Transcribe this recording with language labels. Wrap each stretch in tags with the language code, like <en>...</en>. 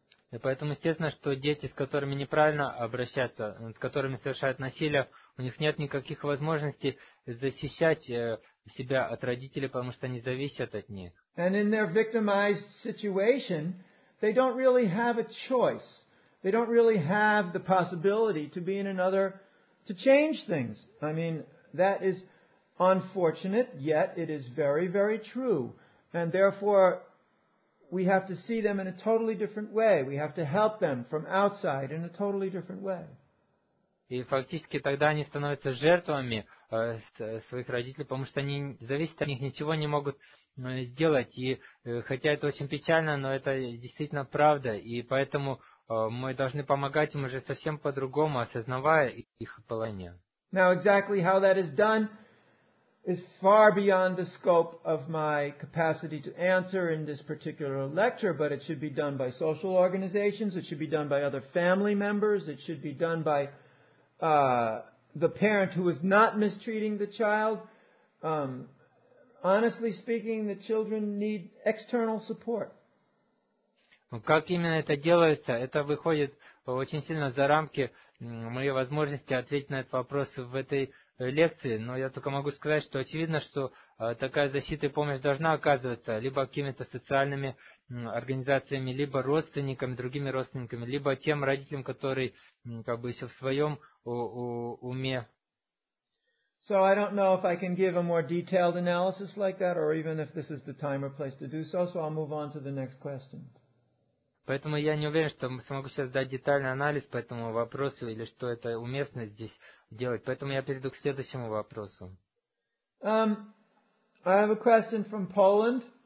<ru>И поэтому естественно, что дети, с которыми неправильно обращаться, над которыми совершают насилие, у них нет никаких возможностей защищать себя от родителей, потому что они зависят от них.</ru> <en>And in their victimized situation, they don't really have a choice. They don't really have the possibility to be in another, to change things. I mean, that is unfortunate, yet it is very, very true. And therefore, we have to see them in a totally different way. We have to help them from outside in a totally different way.</en> <ru>И фактически тогда они становятся жертвами своих родителей, потому что они зависят от них, ничего не могут сделать. И хотя это очень печально, но это действительно правда. И поэтому мы должны помогать им уже совсем по-другому, осознавая их положение.</ru> <en>Now exactly how that is done is far beyond the scope of my capacity to answer in this particular lecture, but it should be done by social organizations, it should be done by other family members, it should be done by the parent who is not mistreating the child. Honestly speaking, the children need external support.</en> <ru>Как именно это делается? Это выходит очень сильно за рамки моей возможности ответить на этот вопрос в этой лекции, но я только могу сказать, что очевидно, что такая защита и помощь должна оказываться либо какими-то социальными организациями, либо родственниками, другими родственниками, либо тем родителям, которые как бы еще в своем уме.</ru> <en>So I don't know if I can give a more detailed analysis like that, or even if this is the time or place to do so, so I'll move on to the next question.</en> <ru>Поэтому я не уверен, что смогу сейчас дать детальный анализ по этому вопросу, или что это уместно здесь делать. Поэтому я перейду к следующему вопросу.</ru> <en>I have a question from Poland.</en>